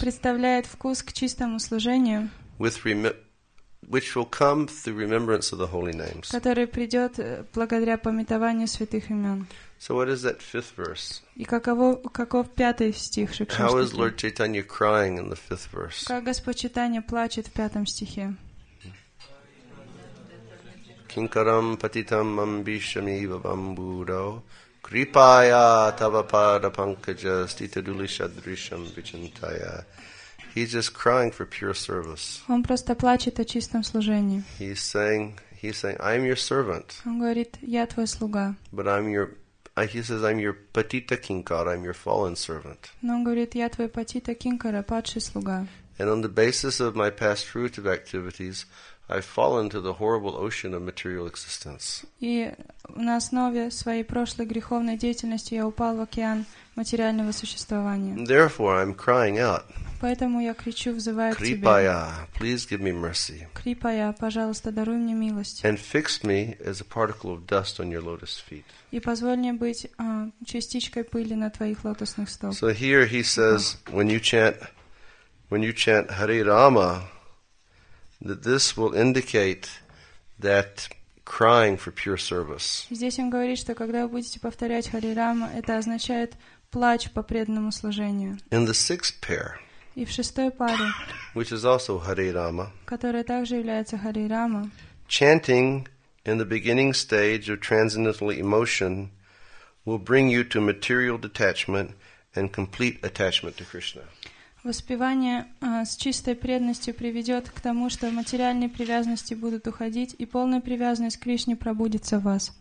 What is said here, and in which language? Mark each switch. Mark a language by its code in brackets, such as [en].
[ru] Представляет вкус к чистому служению. [en] Which will come through remembrance of the holy names. [ru] Который придет благодаря памятованию святых имен. [en] So what is that fifth verse? [ru] И каков пятый стих Шикшаштики? [en] How is Lord Chaitanya crying in the fifth verse? [ru] Как Господь Чайтанья плачет в пятом стихе? [sa] Кинкарам патитам амбишами вабамбурау крипая тавапада панкаджа ститадулишадришам вичинтая. [en] He's just crying for pure service. [ru] Он просто плачет о чистом служении. [en] He's saying, I'm your servant. [ru] Он говорит, я твой слуга. [en] But he says, I'm your patita kinkara, I'm your fallen servant. [ru] Но он говорит, я твой патита кинкара, падший слуга. [en] And on the basis of my past fruitive activities, I've fallen to the horrible ocean of material existence. [ru] И на основе своей прошлой греховной деятельности я упал в океан материального существования. [en] Therefore, I'm crying out. [ru] Поэтому я кричу, взываю к тебе. [en] Крипая, please give me mercy. [ru] Крипая, пожалуйста, даруй мне милость. [en] And fix me as a particle of dust on your lotus feet. [ru] И позволь мне быть частичкой пыли на твоих лотосных стопах. [en] So here he says, when you chant Hare Rama, that this will indicate that crying for pure service. [ru] Здесь он говорит, что когда вы будете повторять Hare Rama, это означает плач по преданному служению. [en] In the sixth pair. [ru] И в шестой паре, [en] which is also Hare Rama, [ru] которая также является Hare Rama, [en] chanting in the beginning stage of transcendental emotion will bring you to material detachment and complete attachment to Krishna. [ru] Воспевание с чистой преданностью приведет к тому, что материальные привязанности будут уходить, и полная привязанность к Кришне пробудится в вас.